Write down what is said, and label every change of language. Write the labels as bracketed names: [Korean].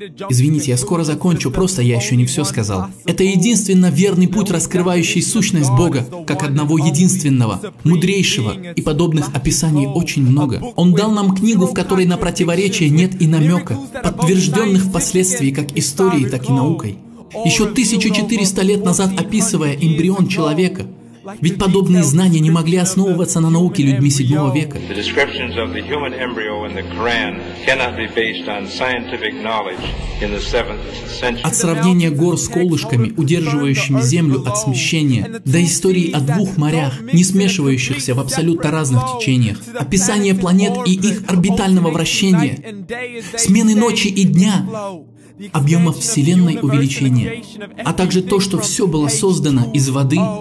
[Russian] Извините, я скоро закончу, просто я еще не все сказал. Это единственно верный путь, раскрывающий сущность Бога, как одного единственного, мудрейшего, и подобных описаний очень много. Он дал нам книгу, в которой на противоречие нет и намека, подтвержденных впоследствии как историей, так и наукой. Еще 1400 лет назад, описывая эмбрион человека, ведь подобные знания не могли основываться на науке людьми 7 века. [English] The descriptions of the human embryo in the Quran cannot be based on scientific knowledge in the 7th century. [Russian] От сравнения гор с колышками, удерживающими землю от смещения, до истории о двух морях, не смешивающихся в абсолютно разных течениях, описание планет и их орбитального вращения, смены ночи и дня, объемов Вселенной увеличения, а также то, что все было создано из воды,